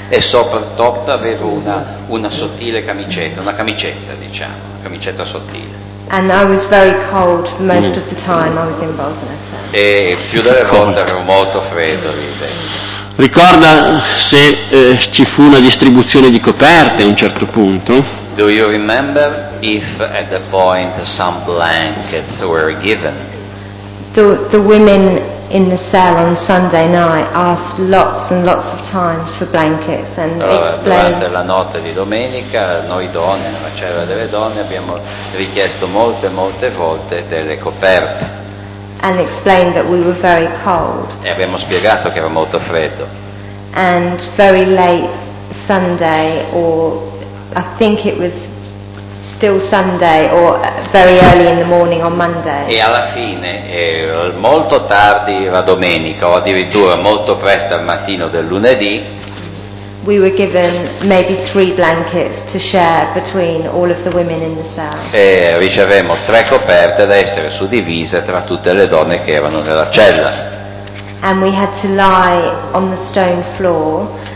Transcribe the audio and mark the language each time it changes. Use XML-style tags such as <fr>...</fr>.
<it>E sopra il top avevo una sottile camicetta, una camicetta, diciamo, una camicetta sottile.</it> <en>And I was very cold most of the time I was in Bolzaneto.</en> <it>E più delle volte ero molto freddo lì dentro. Ricorda se ci fu una distribuzione di coperte a un certo punto?</it> <en>Do you remember if at the point some blankets were given? The women in the cell on Sunday night asked lots and lots of times for blankets and explained.</en> <it>Durante la notte di domenica, noi donne, nella cella delle donne, abbiamo richiesto molte volte delle coperte.</it> <en>And explained that we were very cold.</en> <it>E abbiamo spiegato che era molto freddo.</it> <en>And very late Sunday, or I think it was still Sunday or very early in the morning on Monday.</en> <it>E alla fine, molto tardi la domenica o addirittura molto presto al mattino del lunedì,</it> <en>we were given maybe three blankets to share between all of the women in the cell.</en> <it>E ricevemmo tre coperte da essere suddivise tra tutte le donne che erano nella cella.</it> <en>And we had to lie on the stone floor.</en>